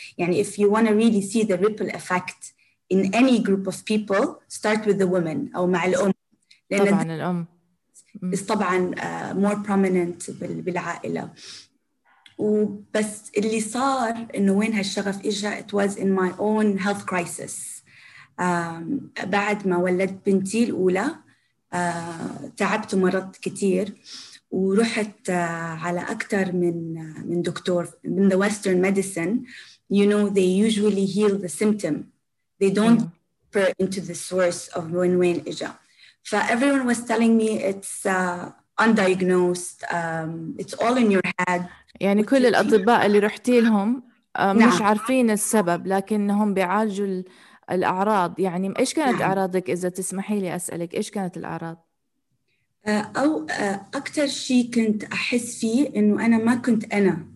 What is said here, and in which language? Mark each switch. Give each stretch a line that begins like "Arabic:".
English: يعني if you want to really see the ripple effect in any group of people start with the woman
Arabic: أو مع الأم، لأن طبعا الأم
English: is طبعا more prominent بالعائلة.
Arabic: وبس اللي صار إنه وين هالشغف إجا،
English: it was in my own health crisis.
Arabic: بعد ما ولدت بنتي الأولى تعبت ومرضت كتير، ورحت على أكثر من دكتور من
English: the Western medicine. You know they usually heal the symptom, they don't refer into the source of when إجا. ف everyone was telling me it's undiagnosed, it's all in your head.
Arabic: يعني كل الأطباء اللي رحتي لهم مش عارفين السبب، لكنهم بيعالجوا الأعراض. يعني إيش كانت أعراضك إذا تسمحي لي أسألك، إيش كانت الأعراض؟ أو أكتر شيء كنت أحس فيه إنه أنا ما كنت أنا.